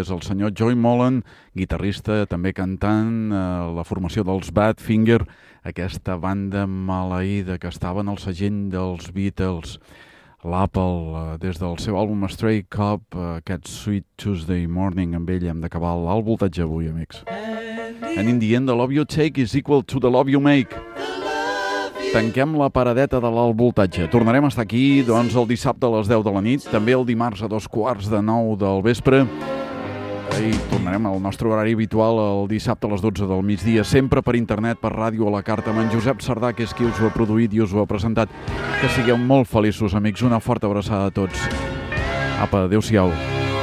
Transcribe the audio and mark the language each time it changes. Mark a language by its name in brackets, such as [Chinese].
[Catalan] És el senyor Joey Mullen, guitarrista, també cantant, la formació dels Badfinger, aquesta banda maleïda que estava en el segell dels Beatles, l'Apple, des del seu àlbum Stray Cop, aquest Sweet Tuesday Morning, amb ell hem d'acabar l'alt voltatge avui, amics. [English] And in the end, the love you take is equal to the love you make. [Catalan] Tanquem la paradeta de l'alt voltatge. Tornarem a estar aquí, doncs, el dissabte a les 10 de la nit, també el dimarts a 8:45 del vespre. I tornarem al nostre horari habitual el dissabte a les 12 del migdia, sempre per internet, per ràdio a la carta, amb en Josep Sardà, que és qui us ho ha produït i us ho ha presentat. Que sigueu molt feliços, amics. Una forta abraçada a tots. Apa, adéu-siau.